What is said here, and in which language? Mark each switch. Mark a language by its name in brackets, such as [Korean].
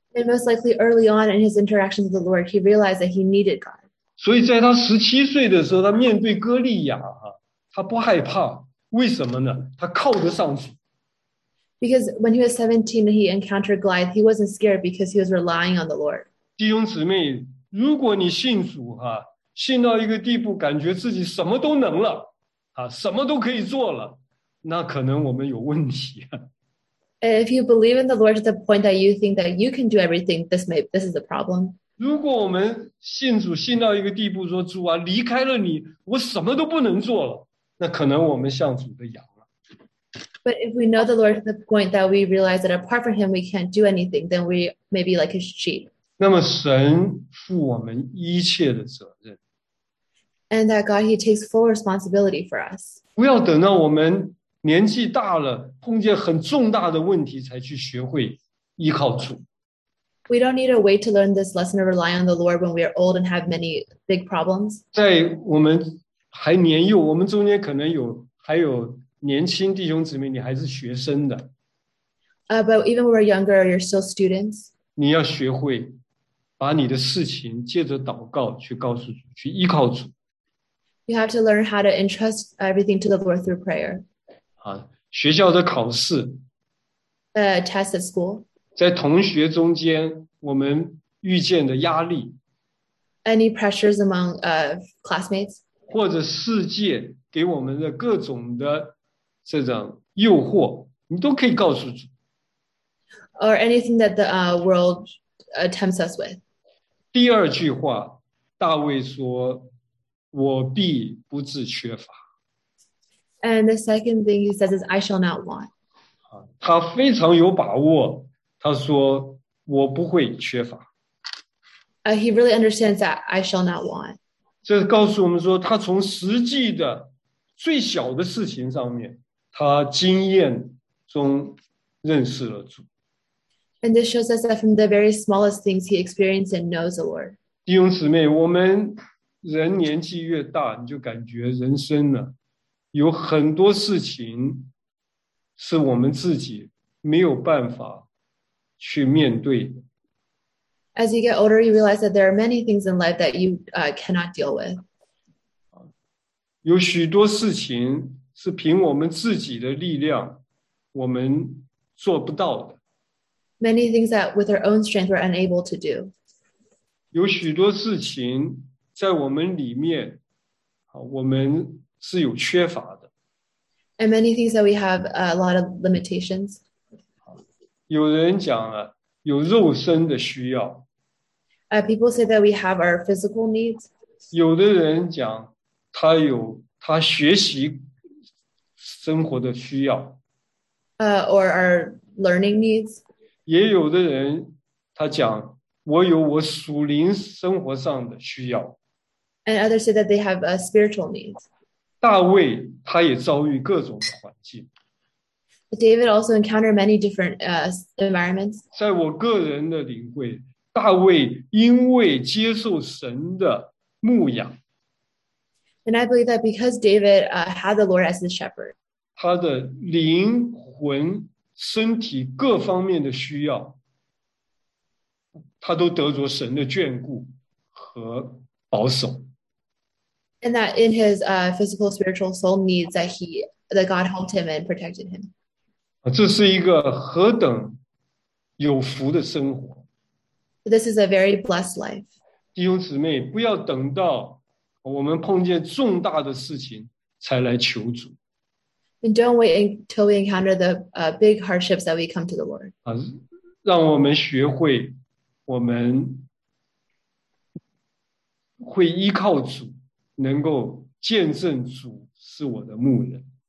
[English] And most likely early on in his interactions with the Lord, he realized that he needed God. [Chinese] 所以在他十七岁的时候，他面对哥利亚啊，他不害怕。为什么呢？他靠得上主。 [English] Because when he was 17 and he encountered Goliath, he wasn't scared because he was relying on the Lord. [Chinese] 弟兄姊妹，如果你信主啊，信到一个地步，感觉自己什么都能了啊，什么都可以做了，那可能我们有问题啊。 [English] If you believe in the Lord to the point that you think that you can do everything, this is a problem. [Chinese] 如果我们信主信到一个地步，说主啊，离开了你，我什么都不能做了。那可能我们像主的羊了。 [English] But if we know the Lord to the point that we realize that apart from Him we can't do anything, then we may be like His sheep. [Chinese] 那么神负我们一切的责任。 [English] And that God He takes full responsibility for us. [Chinese] 不要等到我们年纪大了，碰见很重大的问题才去学会依靠主。 [English] We don't need to wait to learn this lesson or rely on the Lord when we are old and have many big problems. [Chinese] 在我们还年幼，我们中间可能有还有年轻弟兄姊妹，你还是学生的。 [English] But even when we're younger, you're still students. [Chinese] 你要学会把你的事情借着祷告去告诉主，去依靠主。 [English] You have to learn how to entrust everything to the Lord through prayer. [Chinese] 学校的考试。 [English] Test at school. [Chinese] 在同学中间，我们遇见的压力。 [English] Any pressures among classmates? [Chinese] 或者世界给我们的各种的这种诱惑，你都可以告诉主。 [English] Or anything that the world tempts us with. [Chinese] 第二句话，大卫说：“我必不致缺乏。” [English] And the second thing he says is, "I shall not want." [Chinese] 他非常有把握，他说：“我不会缺乏。” [English] He really understands that I shall not want. [Chinese] 这告诉我们说，他从实际的最小的事情上面，他经验中认识了主。 [English] And this shows us that from the very smallest things he experienced and knows the Lord. [Chinese] 弟兄姊妹，我们人年纪越大，你就感觉人生呢，有很多事情是我们自己没有办法去面对的。 [English] As you get older, you realize that there are many things in life that you cannot deal with. [Chinese] 有许多事情是凭我们自己的力量，我们做不到的。 [English] Many things that with our own strength we're unable to do. [Chinese] 有许多事情在我们里面，我们是有缺乏的。 [English] And many things that we have a lot of limitations. [Chinese] 有人讲啊，有肉身的需要。 [English] People say that we have our physical needs. [Chinese] 有的人讲，他有他学习生活的需要， [English] Or our learning needs. [Chinese] 也有的人他讲，我有我属灵生活上的需要。 [English] And others say that they have a spiritual needs. [Chinese] 大卫他也遭遇各种的环境。 [English] But David also encountered many different environments. [Chinese] 在我个人的领会，大卫因为接受神的牧养， [English] And I believe that because David had the Lord as the shepherd, [Chinese] 他的灵魂、身体各方面的需要，他都得着神的眷顾和保守。 [English] And that in his physical, spiritual, soul needs that he that God helped him and protected him. [Chinese] 这是一个何等有福的生活！ [English] This is a very blessed life. [Chinese] 弟兄姊妹，不要等到我们碰见重大的事情才来求主。 [English] And don't wait until we encounter the big hardships that we come to the Lord. [Chinese] 让我们学会，我们会依靠主，能够见证主是我的牧人。